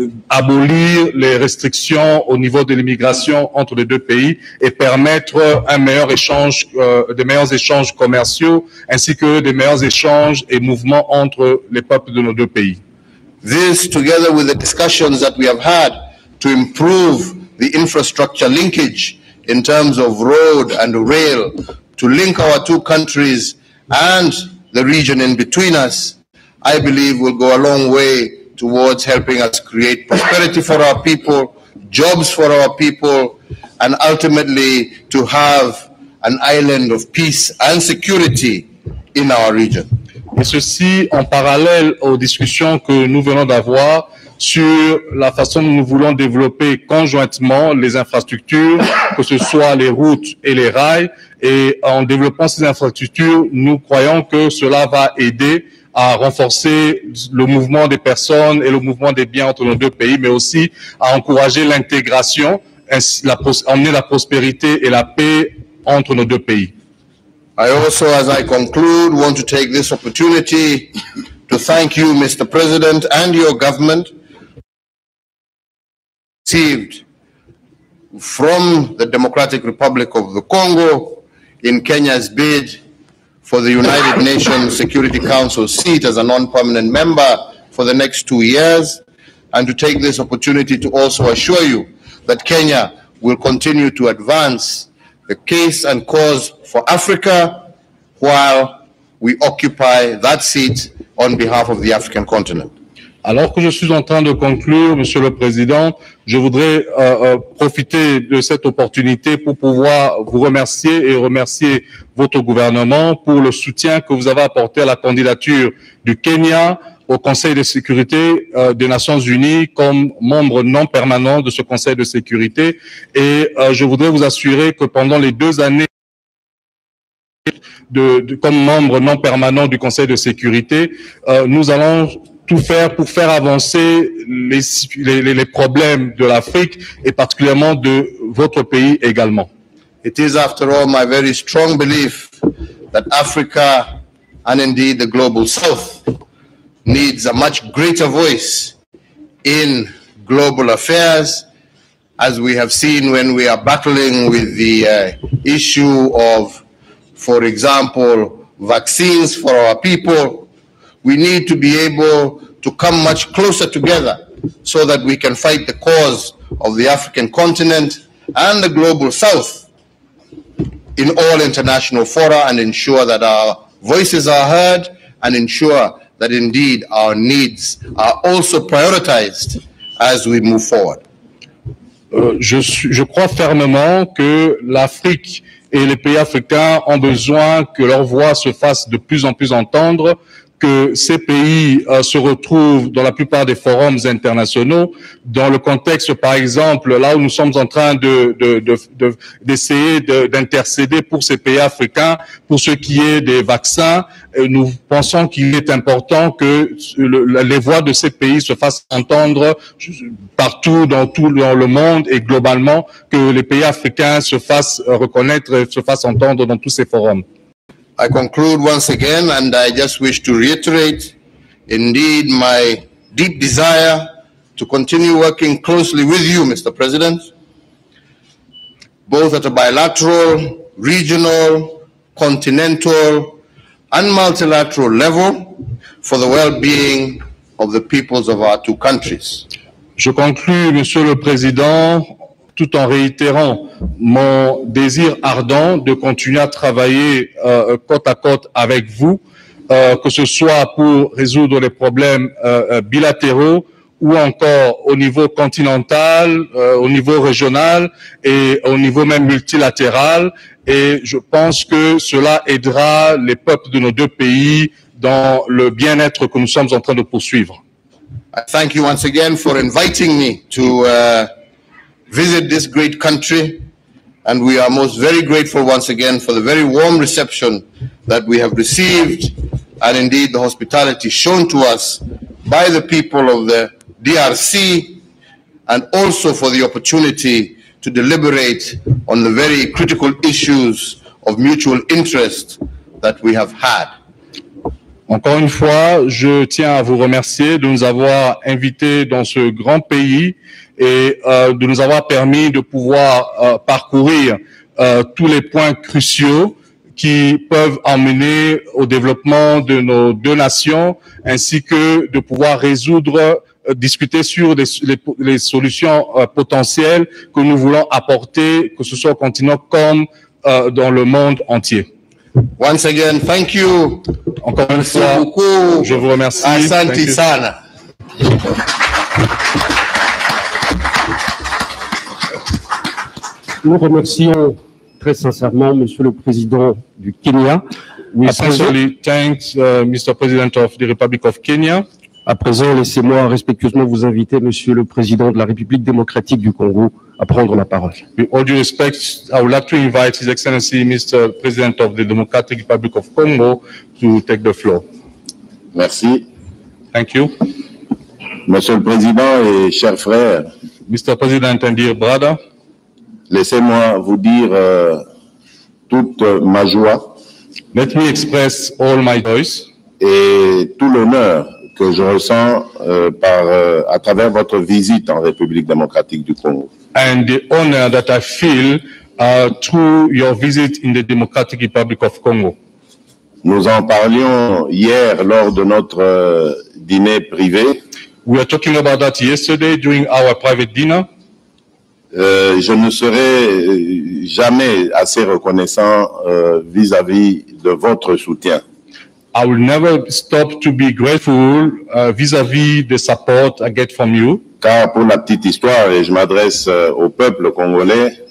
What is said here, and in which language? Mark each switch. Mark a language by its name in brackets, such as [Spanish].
[French] abolir les restrictions au niveau de l'immigration entre les deux pays et permettre un meilleur échange, des meilleurs échanges commerciaux ainsi que des meilleurs échanges et mouvements entre les peuples de nos deux pays. [English] This, together with the discussions that we have had to improve the infrastructure linkage in terms of road and rail to link our two countries and the region in between us, I believe will go a long way towards helping us create prosperity for our people, jobs for our people, and ultimately to have an island of peace and security in our region. [French] Et ceci en parallèle aux discussions que nous venons d'avoir sur la façon dont nous voulons développer conjointement les infrastructures, que ce soit les routes et les rails. Et en développant ces infrastructures, nous croyons que cela va aider à renforcer le mouvement des personnes et le mouvement des biens entre nos deux pays, mais aussi à encourager l'intégration, amener la prospérité et la paix entre nos deux pays. [English] I also, as I conclude, want to take this opportunity to thank you, Mr. President, and your government received from the Democratic Republic of the Congo in Kenya's bid for the United Nations Security Council seat as a non-permanent member for the next 2 years, and to take this opportunity to also assure you that Kenya will continue to advance the case and cause for Africa while we occupy that seat on behalf of the African continent. [French] Alors que je suis en train de conclure, Monsieur le Président, je voudrais profiter de cette opportunité pour pouvoir vous remercier et remercier votre gouvernement pour le soutien que vous avez apporté à la candidature du Kenya au Conseil de sécurité des Nations Unies comme membre non permanent de ce Conseil de sécurité. Et je voudrais vous assurer que pendant les 2 années comme membre non permanent du Conseil de sécurité, nous allons tout faire pour faire avancer les problèmes de l'Afrique et particulièrement de votre pays également. [English] It is, after all, my very strong belief that Africa and indeed the global South needs a much greater voice in global affairs, as we have seen when we are battling with the issue of for example, vaccines for our people. We need to be able to come much closer together so that we can fight the cause of the African continent and the global south in all international fora and ensure that our voices are heard and ensure that indeed our needs are also prioritized as we move forward. [French] Je crois fermement que l'Afrique et les pays africains ont besoin que leur voix se fasse de plus en plus entendre, que ces pays se retrouvent dans la plupart des forums internationaux, dans le contexte, par exemple, là où nous sommes en train d'essayer d'intercéder pour ces pays africains, pour ce qui est des vaccins. Nous pensons qu'il est important que les voix de ces pays se fassent entendre partout dans tout dans le monde et globalement, que les pays africains se fassent reconnaître et se fassent entendre dans tous ces forums. [English] I conclude once again, and I just wish to reiterate indeed my deep desire to continue working closely with you, Mr. President, both at a bilateral, regional, continental, and multilateral level for the well-being of the peoples of our two countries. [French] Je conclue, Monsieur le Président, tout en réitérant mon désir ardent de continuer à travailler côte à côte avec vous, que ce soit pour résoudre les problèmes bilatéraux ou encore au niveau continental, au niveau régional et au niveau même multilatéral. Et je pense que cela aidera les peuples de nos deux pays dans le bien-être que nous sommes en train de poursuivre. [English] I thank you once again for inviting me to visit this great country, and we are most very grateful once again for the very warm reception that we have received and indeed the hospitality shown to us by the people of the DRC, and also for the opportunity to deliberate on the very critical issues of mutual interest that we have had. [French] Encore une fois, je tiens à vous remercier de nous avoir invités dans ce grand pays et de nous avoir permis de pouvoir parcourir tous les points cruciaux qui peuvent amener au développement de nos deux nations, ainsi que de pouvoir résoudre, discuter sur les solutions potentielles que nous voulons apporter, que ce soit au continent comme dans le monde entier. [English] Once again, thank you. [French] Encore une fois, je vous remercie. [Swahili] Asante sana. [French] Nous remercions très sincèrement Monsieur le Président du Kenya. [English] We sincerely thank Mr. President of the Republic of Kenya. [French] À présent, laissez-moi respectueusement vous inviter Monsieur le Président de la République démocratique du Congo à prendre la parole. [English] With all due respect, I would like to invite His Excellency Mr. President of the Democratic Republic of Congo to take the floor. [French] Merci. [English] Thank you. [French] Monsieur le Président et chers frères. [English] Mr. President and dear brother. [French] Laissez-moi vous dire toute ma joie. [English] Let me express all my joys. [French] Et tout l'honneur que je ressens à travers votre visite en République démocratique du Congo. [English] And the honor that I feel through your visit in the Democratic Republic of Congo. [French] Nous en parlions hier lors de notre dîner privé. [English] We were talking about that yesterday during our private dinner. [French] Je ne serai jamais assez reconnaissant vis-à-vis de votre soutien. [English] I will never stop to be grateful vis-à-vis the support I get from you. [French] Car pour la petite histoire, et je m'adresse au peuple congolais.